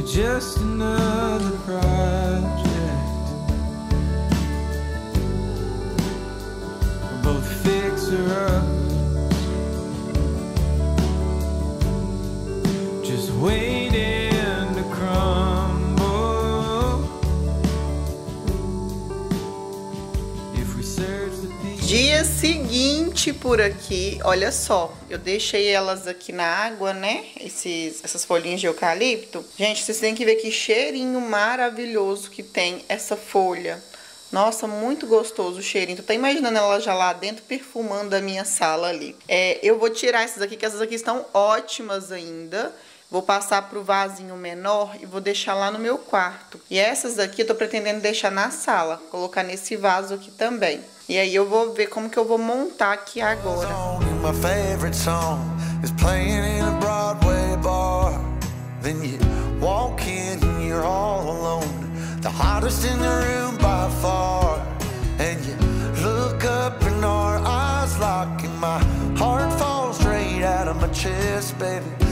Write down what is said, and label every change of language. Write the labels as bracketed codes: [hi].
[en] Just another project, both fixer up, just waiting to crumble. If we search the deep. [pt] Dia seguinte por aqui, olha só. Eu deixei elas aqui na água, né? Essas folhinhas de eucalipto. Gente, vocês têm que ver que cheirinho maravilhoso que tem essa folha. Nossa, muito gostoso o cheirinho. Tô até imaginando ela já lá dentro, perfumando a minha sala ali. É, eu vou tirar essas aqui, que essas aqui estão ótimas ainda. Vou passar pro vasinho menor e vou deixar lá no meu quarto. E essas aqui eu tô pretendendo deixar na sala. Colocar nesse vaso aqui também. E aí eu vou ver como que eu vou montar aqui agora. [en] My favorite song is playing in a Broadway bar. Then you walk in and you're all alone, the hottest in the room by far. And you look up and our eyes lock, and my heart falls straight out of my chest, baby.